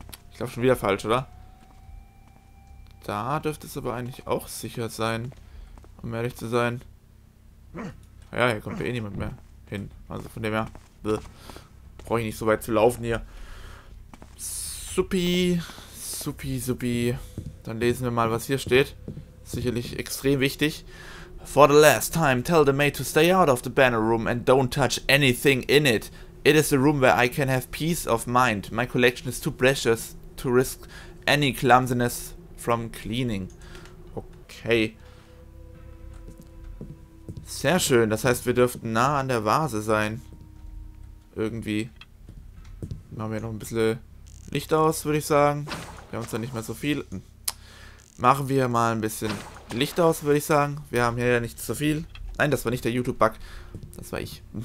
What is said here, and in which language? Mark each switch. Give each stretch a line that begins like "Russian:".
German: Ich glaube schon wieder falsch, oder? Da dürfte es aber eigentlich auch sicher sein. Um ehrlich zu sein. Ja, hier kommt ja eh niemand mehr hin. Also von dem her. Brauche ich nicht so weit zu laufen hier. Suppi. Suppi, suppi. Dann lesen wir mal, was hier steht. sicherlich extrem wichtig.
English: For the last time, tell the maid to stay out of the banner room and don't touch anything in it. It is a room where I can have peace of mind. My collection is too precious to risk any clumsiness from cleaning. Okay.
German: Sehr schön, das heißt, wir dürften nah an der Vase sein. Irgendwie. Machen wir noch ein bisschen Licht aus, würde ich sagen. Wir haben zwar nicht mehr so viel. Machen wir mal ein bisschen Licht aus, würde ich sagen. Wir haben hier ja nicht so viel. Nein, das war nicht der YouTube-Bug. Das war ich.